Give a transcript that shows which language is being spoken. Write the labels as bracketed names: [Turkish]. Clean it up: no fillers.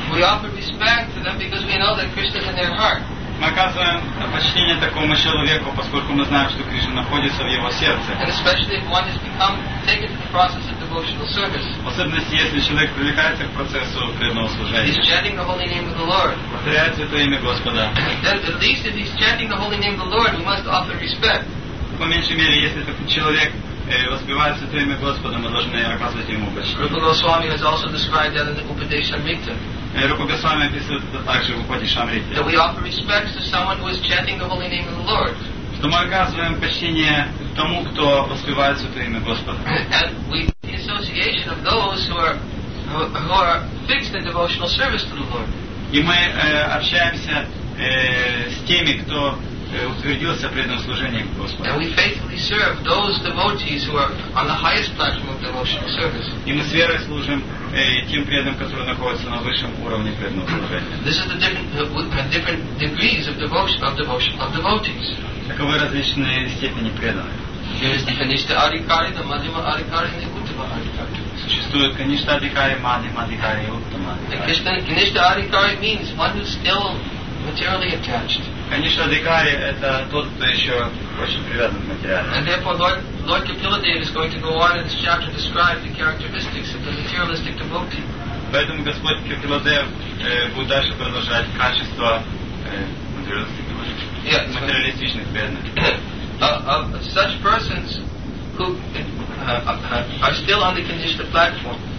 [English] We offer respect to them because we know that Krishna is in their heart. [Russian] Мы оказываем почтение такому человеку, поскольку мы знаем, что Кришна находится в его сердце. [English] And especially if one has become taken to the process of devotional service. [Russian] В особенности, если человек привлекается к процессу преданного служения. [English] He's chanting the holy name of the Lord. [Russian] Повторяет Святое имя Господа. [English] Then at least if he's chanting the holy name of the Lord, we must offer respect. [Russian] По меньшей мере, если такой человек воспевает Святое имя Господа, мы должны оказывать ему почтение. [English] Rupa Goswami has also described that in the Upadeshamrita. [Russian] Рупа Госвами описывает это также в Упадешамрите. [English] That we offer respects to someone who is chanting the holy name of the Lord. [Russian] Что мы оказываем почтение тому, кто воспевает Святое имя Господа. [English] And we the association of those who are fixed in devotional service to the Lord. [Russian] И мы общаемся с теми, кто утвердился в преданном служении Господу. [English] And we faithfully serve those devotees who are on the highest platform of devotional service. [Russian] И мы с верой служим тем преданным, которые находятся на высшем уровне преданного служения. [English] This is the different degrees of devotion of devotees. [Russian] Таковы различные степени преданных. Есть, конечно, арикари, да мадима арикари, не кутива арикари. Существует, конечно, арикари, мадим арикари, уттама [English] арикари. Конечно, арикари means one who's still materially attached. [Russian] Конечно, арикари – это тот, кто еще очень привязан к материалу. [English] And therefore, Lord Kapiladeva is going to go on in this chapter to describe the characteristics of the materialistic devotee. [Russian] Поэтому Господь Капиладев будет дальше продолжать качество материалистичных бедных. [English] Of such persons who are still on the Kanishtha platform.